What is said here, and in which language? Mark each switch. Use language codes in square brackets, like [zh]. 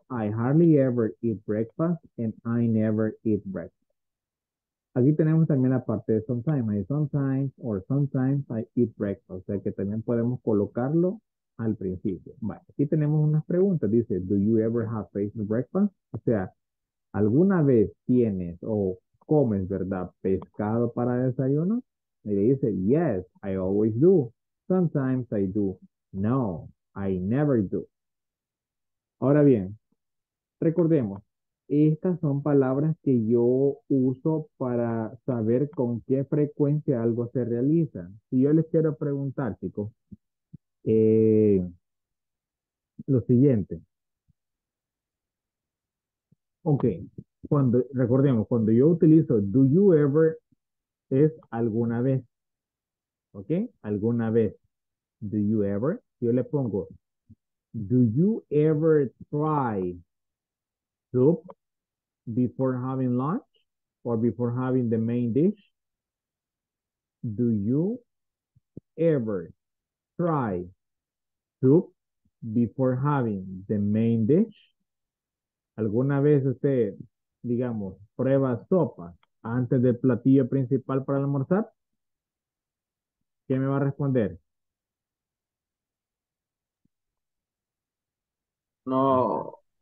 [en] I hardly ever eat breakfast, and I never eat breakfast. [es] Aquí tenemos también la parte de sometimes. [en] I sometimes or sometimes I eat breakfast. [es] O sea que también podemos colocarlo al principio. Bueno, aquí tenemos unas preguntas. Dice, [en] do you ever have fish for breakfast? [es] O sea, ¿alguna vez tienes o comes, verdad, pescado para desayuno? Y le dice, [en] yes, I always do. Sometimes I do. No, I never do. [es] Ahora bien, recordemos. Estas son palabras que yo uso para saber con qué frecuencia algo se realiza. Si yo les quiero preguntar, chicos, lo siguiente. Ok, recordemos, cuando yo utilizo [en] do you ever, [es] es alguna vez. Ok, alguna vez. [en] Do you ever, [es] yo le pongo, [en] do you ever try soup before having lunch or before having the main dish? Do you ever try soup before having the main dish? [es] ¿Alguna vez usted, digamos, prueba sopa antes del platillo principal para almorzar? ¿Qué me va a responder? No.